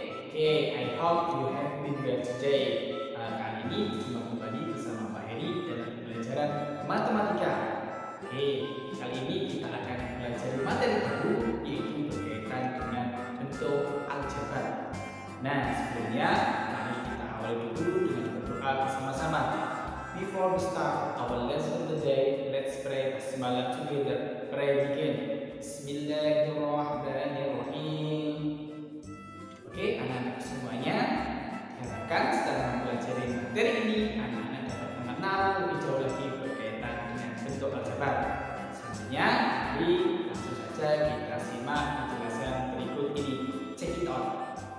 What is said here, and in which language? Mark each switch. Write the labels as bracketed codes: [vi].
[en] Okay, I hope you have been well today. [id] Kali ini kita kembali bersama Pak Heri dalam pelajaran matematika. Okay, kali ini kita akan belajar materi baru yaitu berkaitan dengan bentuk aljabar. Nah, sebelumnya mari kita awali dulu dengan berdoa bersama-sama. [en] Before we start our lesson today, let's pray basmala together. Pray begin. Bismillahirrahmanirrahim. [id] Oke, anak-anak semuanya, harapkan setelah mempelajari materi ini, anak-anak dapat mengenal lebih jauh lagi berkaitan dengan bentuk aljabar. Selanjutnya, mari langsung saja kita simak penjelasan berikut ini. [en] Check it out.